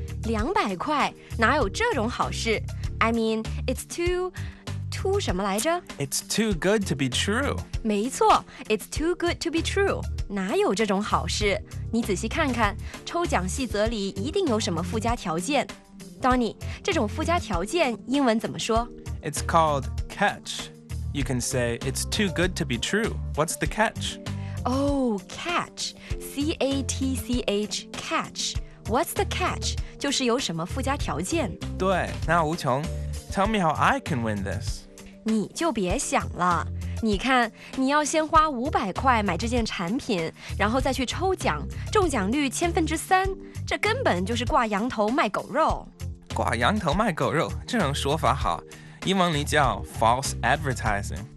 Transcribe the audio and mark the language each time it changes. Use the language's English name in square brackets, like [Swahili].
[Chinese] 200块？哪有这种好事 ？ [English] I mean, it's too [Chinese] 什么来着 [English] ？It's too good to be true. [Chinese] 没错 [English] ，It's too good to be true. [Chinese] 哪有这种好事？你仔细看看，抽奖细则里一定有什么附加条件。 Donnie， 这种附加条件英文怎么说 [English] ？It's called catch. You can say it's too good to be true. What's the catch？ Oh, catch, C-A-T-C-H, catch. What's the catch? [Chinese] 就是有什么附加条件。对，那无穷 [English] ，Tell me how I can win this. [Chinese] 你就别想了。你看，你要先花500块买这件产品，然后再去抽奖，中奖率3%，这根本就是挂羊头卖狗肉。挂羊头卖狗肉，这种说法好，英文里叫 false advertising，